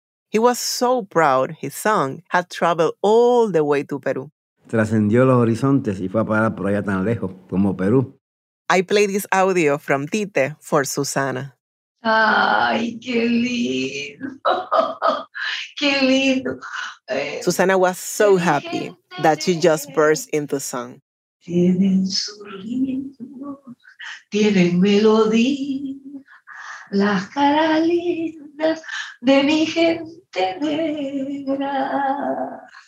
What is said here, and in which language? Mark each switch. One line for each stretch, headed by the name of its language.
English: He was so proud his song had traveled all the way to Peru.
Spanish: Trascendió los horizontes y fue a parar por allá tan lejos como Perú.
English: I play this audio from Tite for Susana.
Spanish: Ay, qué lindo. Qué lindo.
English: Susana was so happy that she just burst into song.
Spanish: Tienen su ritmo, tienen melodía, las caras lindas de mi gente negra.